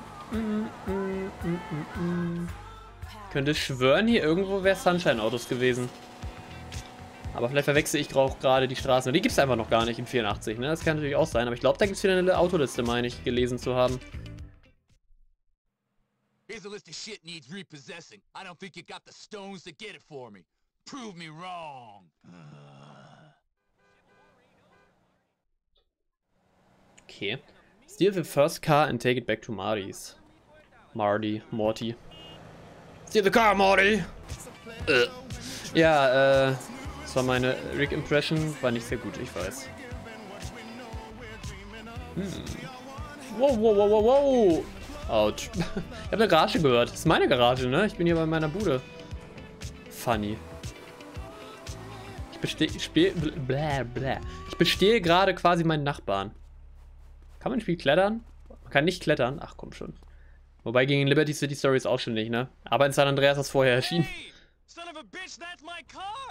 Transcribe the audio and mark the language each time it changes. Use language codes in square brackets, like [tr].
[de] Ich könnte schwören, hier irgendwo wäre Sunshine-Autos gewesen. Aber vielleicht verwechsel ich auch gerade die Straßen. Die gibt es einfach noch gar nicht in 84, ne? Das kann natürlich auch sein. Aber ich glaube, da gibt es wieder eine Autoliste, meine ich, gelesen zu haben. [en] Here's a list of shit needs repossessing. I don't think you got the stones to get it for me. Prove me wrong. Okay. Steal the first car and take it back to Marty's. Marty, Morty. Steal the car, Morty! [de] Das war meine Rick-Impression. War nicht sehr gut, ich weiß. Wow. Autsch. Ich hab eine Garage gehört. Das ist meine Garage, ne? Ich bin hier bei meiner Bude. Funny. Ich bestehe gerade quasi meinen Nachbarn. Kann man im Spiel klettern? Man kann nicht klettern. Ach komm schon. Wobei gegen Liberty City Stories auch schon nicht, ne? Aber in San Andreas ist vorher erschienen. [en] Hey, son of a bitch, that's my car.